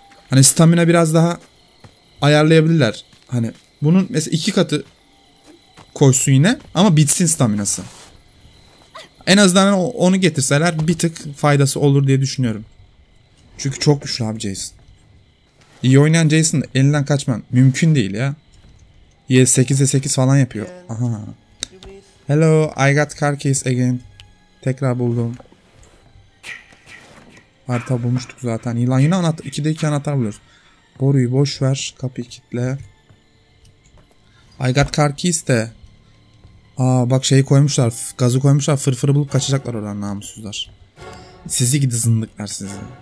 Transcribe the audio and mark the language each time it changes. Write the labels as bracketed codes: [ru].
[tr] Hani stamina biraz daha ayarlayabilirler. Hani bunun mesela iki katı koşsun yine ama bitsin staminası. En azından onu getirseler bir tık faydası olur diye düşünüyorum. Çünkü çok güçlü abi Jason. İyi oynayan Jason elinden kaçman mümkün değil ya. 8'e 8 falan yapıyor. Aha. [en] Hello, I got car keys again. [tr] Tekrar buldum. Harita bulmuştuk zaten. Yılan yine anahtar, 2'de 2 anahtar buluyoruz. Boruyu boş ver, kapıyı kilitle. [en] I got car keys [tr] de. Aa bak şeyi koymuşlar, gazı koymuşlar, fırfırı bulup kaçacaklar oradan namussuzlar. Sizi gidi zındıklar sizi.